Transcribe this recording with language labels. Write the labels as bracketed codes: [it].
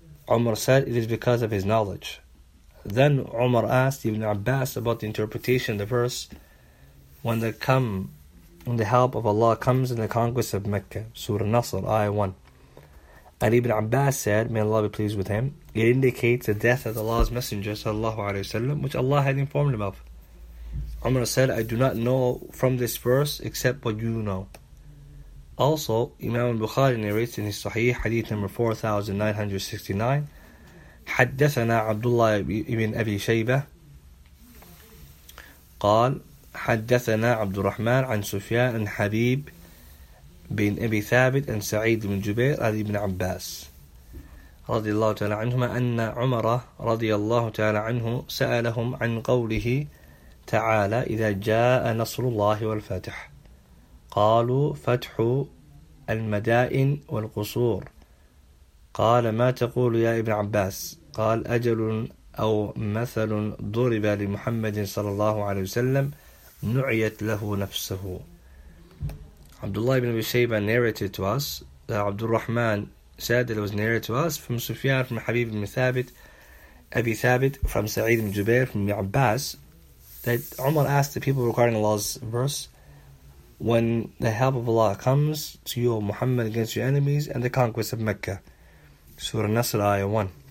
[en] Umar said, it is because of his knowledge. Then Umar asked Ibn Abbas about the interpretation of the verse, when the help of Allah comes in the conquest of Mecca, Surah Nasr, Ayah 1. And Ibn Abbas said, may Allah be pleased with him, it indicates the death of Allah's Messenger, sallallahu alayhi wa sallam, which Allah had informed him of. Umar said, I do not know from this verse except what you know. Also, Imam al-Bukhari narrates in his Sahih, Hadith number 4969, [ar] حدثنا عبد الله بن أبي شيبة قال حدثنا عبد الرحمن عن سفيان عن حبيب بن أبي ثابت عن سعيد بن جبير عن ابن عباس رضي الله تعالى عنهما أن عمر رضي الله تعالى عنه سألهم عن قوله تعالى إذا جاء نصر الله والفتح قالوا فتح المدائن والقصور قال ما تقول يا ابن عباس قال أجل أو مثل ضرب لمحمد صلى الله عليه وسلم نعيت له نفسه. [en] Abdullah ibn Abi Shayba narrated to us that Abdul Rahman said that it was narrated to us from Sufyan, from Habib ibn Thabit, Abi Thabit, from Sa'id ibn Jubair, from Ibn Abbas, that Umar asked the people regarding Allah's verse, when the help of Allah comes to you, O Muhammad, against your enemies and the conquest of Mecca, Surah Nasr, Ayah 1.